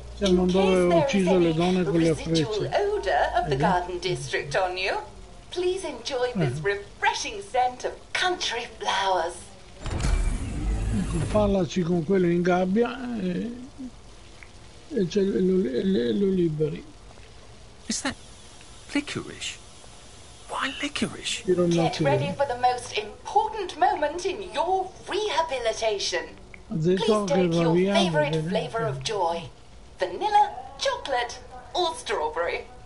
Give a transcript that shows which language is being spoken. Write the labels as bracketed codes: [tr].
[it] Siamo in dove ho ucciso le donne con le frecce. [en] Odor of the garden district on you. Please enjoy this refreshing scent of country flowers. [it] Parlaci con quello in gabbia e cioè lo liberi. [en] Is that licorice? Why licorice? Get ready for the most important moment in your rehabilitation. Please take your favorite flavor of joy. Vanilla, chocolate or strawberry.